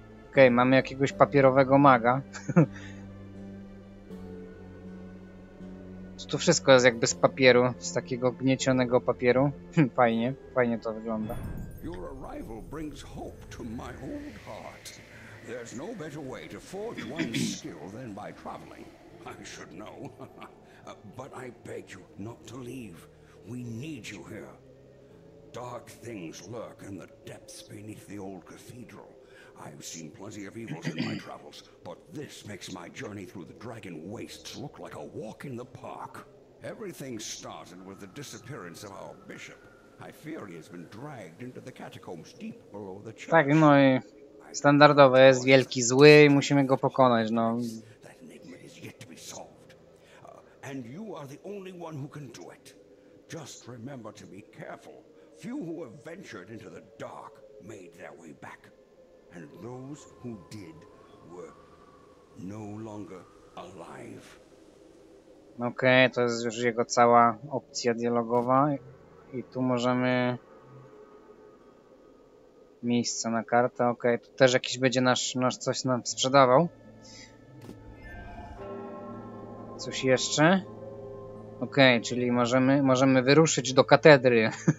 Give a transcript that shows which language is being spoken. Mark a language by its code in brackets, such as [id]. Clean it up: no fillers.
[pl] Okej, okay, mamy jakiegoś papierowego maga. Tu wszystko jest jakby z papieru, z takiego gniecionego papieru. Fajnie, fajnie to wygląda. [en] Your arrival brings hope to my old heart. There's no better way to forge one's skill than by traveling. I should know. But I beg you not to leave. We need you here. Dark things lurk in the depths beneath the old cathedral. I've seen plenty of evils in my travels, but this makes my journey through the Dragon Wastes look like a walk in the park. Everything started with the disappearance of our bishop. I fear he has been dragged into the catacombs deep below the church. [pl] Tak, no i standardowo jest wielki zły i musimy go pokonać, no. [en] That enigma is yet to be solved. And you are the only one who can do it. Just remember to be careful. Few who have ventured into the dark made their way back. And those who did were no longer alive. [pl] Okej, okay, to jest już jego cała opcja dialogowa. I tu możemy... Miejsce na kartę, okej. Okay, tu też jakiś będzie nasz coś nam sprzedawał. Coś jeszcze? Okej, okay, czyli możemy wyruszyć do katedry.